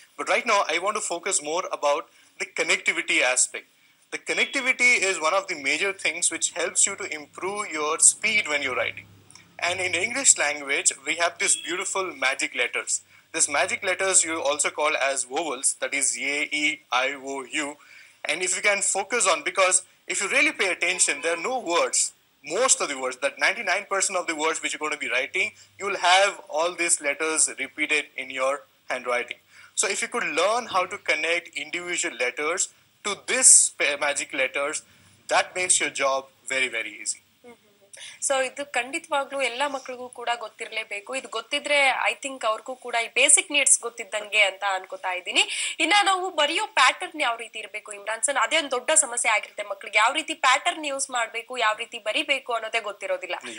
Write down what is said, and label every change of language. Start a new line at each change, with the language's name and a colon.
English: But right now I want to focus more about the connectivity aspect. The connectivity is one of the major things which helps you to improve your speed when you writing. And in English language, we have this beautiful magic letters. This magic letters you also call as vowels, that is A, E, I, O, U. And if you can focus on, because if you really pay attention, there are no words. Most of the words, that 99% of the words which you're going to be writing, you'll have all these letters repeated in your handwriting. So if you could learn how to connect individual letters to this magic letters, that makes your job very, very easy.
Kannada: So ಇದು ಖಂಡಿತವಾಗ್ಲೂ ಎಲ್ಲಾ ಮಕ್ಕಳಿಗೂ ಕೂಡ ಗೊತ್ತಿರಲೇಬೇಕು. ಇದು ಗೊತ್ತಿದ್ರೆ
English: I think
Kannada: ಅವ್ರಿಗೂ ಕೂಡ ಈ ಬೇಸಿಕ್ ನೀಡ್ಸ್ ಗೊತ್ತಿದ್ದಂಗೆ ಅಂತ ಅನ್ಕೋತಾ ಇದ್ದೀನಿ. ಇನ್ನ ನಾವು ಬರೆಯೋ ಪ್ಯಾಟರ್ನ್ ಯಾವ ರೀತಿ ಇರಬೇಕು ಇಮ್ರಾನ್ ಸನ್, ಅದೇ ಒಂದು ದೊಡ್ಡ ಸಮಸ್ಯೆ ಆಗಿರುತ್ತೆ ಮಕ್ಕಳಿಗೆ. ಯಾವ ರೀತಿ ಪ್ಯಾಟರ್ನ್ ಯೂಸ್ ಮಾಡ್ಬೇಕು, ಯಾವ ರೀತಿ ಬರಿಬೇಕು ಅನ್ನೋದೇ ಗೊತ್ತಿರೋದಿಲ್ಲ.